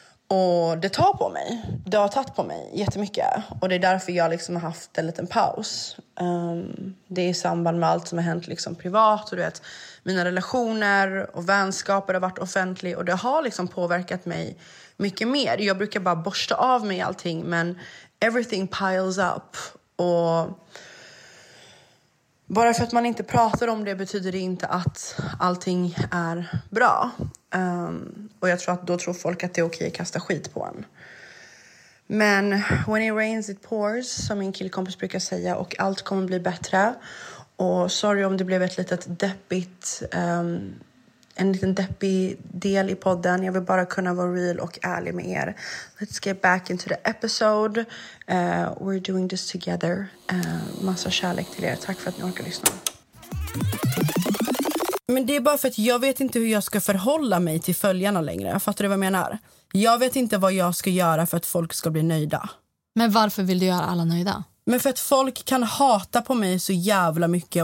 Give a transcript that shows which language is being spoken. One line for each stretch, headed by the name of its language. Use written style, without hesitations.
Swedish: Och det tar på mig. Det har tagit på mig jättemycket. Och det är därför jag liksom har haft en liten paus. Det är i samband med allt som har hänt liksom privat. Och du vet, mina relationer och vänskaper har varit offentliga. Och det har liksom påverkat mig mycket mer. Jag brukar bara borsta av mig allting. Men
English: everything piles up.
Swedish: Och bara för att man inte pratar om det betyder det inte att allting är bra. Och jag tror att då tror folk att det är okej att kasta skit på en. Men
English: when it rains it pours,
Swedish: som min killkompis brukar säga. Och allt kommer bli bättre. Och sorry om det blev ett litet deppigt, en liten deppig del i podden. Jag vill bara kunna vara real och ärlig med er.
English: Let's get back into the episode. We're doing this together.
Swedish: Massa kärlek till er. Tack för att ni orkar lyssna. Men det är bara för att jag vet inte hur jag ska förhålla mig till följarna längre. Fattar du vad jag menar? Jag vet inte vad jag ska göra för att folk ska bli nöjda. Men varför vill du göra alla nöjda? Men för att folk kan hata på mig så jävla mycket.